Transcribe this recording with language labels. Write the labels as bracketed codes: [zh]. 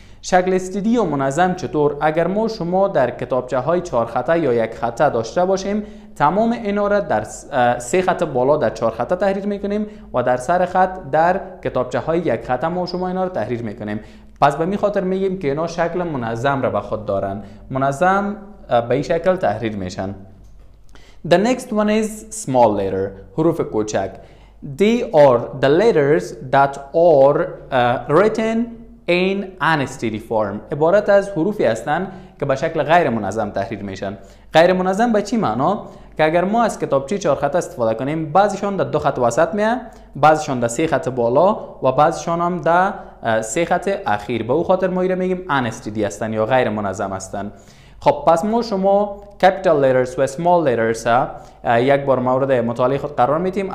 [fa] شکل steady یا منظم چطور؟ اگر ما شما در کتابچه های چهار خطه یا یک خطه داشته باشیم تمام اینا را در سه خط بالا در چهار خطه تحریر میکنیم و در سر خط در کتابچه های یک خطه ما شما اینا را تحریر میکنیم. پس به می خاطر میگیم که اینا شکل منظم را به خود دارن. منظم به این شکل تحریر میشن. [en] The next one is small letter. [fa] حروف کوچک. [en] They are the letters that are written in unsteady form. [fa] عبارت از حروفی هستن که به شکل غیر منظم تحریر میشن. غیر منظم به چی معنا؟ که اگر ما از کتابچه چهار خط استفاده کنیم بعضیشان در دو خط وسط میه، بعضیشان در سه خط بالا و بعضیشان هم در سه خط اخیر. به او خاطر ما ایره میگیم unsteady هستن یا غیر منظم هستن. خب پس ما شما capital letters و small letters ها یک بار مورد مطالعه خود قرار میتیم.